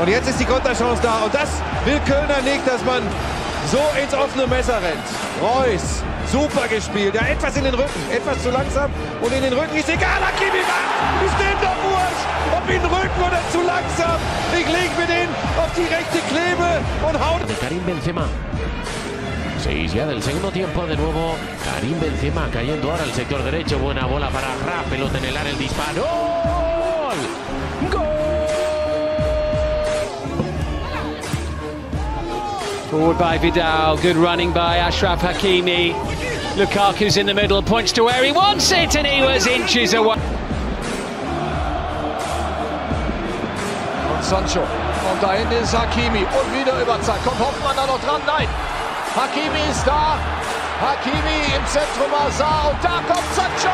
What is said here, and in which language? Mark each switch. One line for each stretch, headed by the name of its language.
German: Und jetzt ist die Konterchance da und das will Kölner nicht, dass man so ins offene Messer rennt. Reus, super gespielt, ja, etwas in den Rücken, etwas zu langsam und in den Rücken ist egal, Hakimi macht, ist dem doch wurscht, ob in den Rücken oder zu langsam. Ich lege mir den auf die rechte Klebe und hau. Karim Benzema.
Spanish: Sí, ya del segundo tiempo de nuevo, Karim Benzema cayendo ahora al sector derecho, buena bola para Raf, pelota en el área, el disparo, ¡gol!
English: Forward by Vidal, good running by Achraf Hakimi, Lukaku's in the middle, points to where he wants it and he was inches away.
German: Und Sancho, und da hinten ist Hakimi, und wieder Überzahl, kommt Hoffmann da noch dran, nein!
English: Hakimi is there, Hakimi
German: in Zentrum
English: Azar, and there comes Sancho!